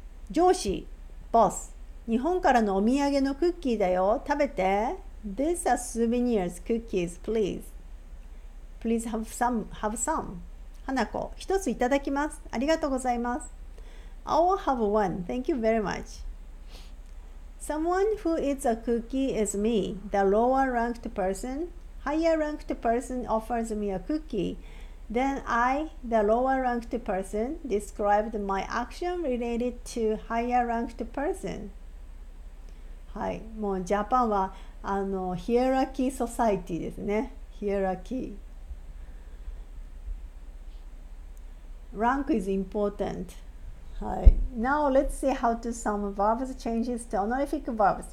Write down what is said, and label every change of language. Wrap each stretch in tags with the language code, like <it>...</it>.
<ja>上司、ボス、日本からのお土産のクッキーだよ。食べて。</ja> <en>These are souvenirs, cookies, please. Please have some.</en> <ja>花子、一ついただきます。ありがとうございます。</ja> <en>I will have one. Thank you very much. Someone who eats a cookie is me, the lower ranked person. Higher ranked person offers me a cookie. Then I, the lower ranked person, described my action related to higher ranked person.</en> <ja>はい、もうジャパンはあのヒエラキーソサイティですね。ヒエラキ</ja> <en>ー。 Rank is important. はい。Now let's see how to sum verbs changes to honorific verbs.</en>